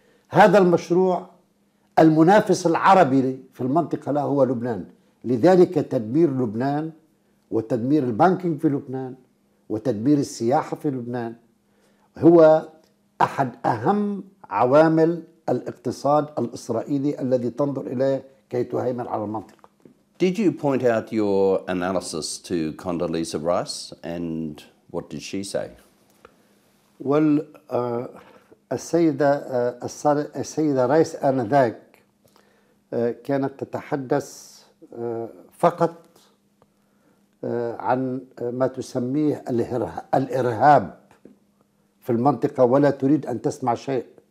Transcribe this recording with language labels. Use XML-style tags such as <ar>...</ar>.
<ar>هذا المشروع المنافس العربي في المنطقة له هو لبنان، لذلك تدمير لبنان وتدمير البانكينج في لبنان وتدمير السياحة في لبنان هو أحد أهم عوامل الاقتصاد الإسرائيلي الذي تنظر إليه كي تهيمن على المنطقة.</ar> <en>Did you point out your analysis to Condoleezza Rice and what did she say?</en> <ar>Well, السيدة رايس آنذاك كانت تتحدث فقط عن ما تسميه الإرهاب في المنطقة ولا تريد أن تسمع شيء.</ar>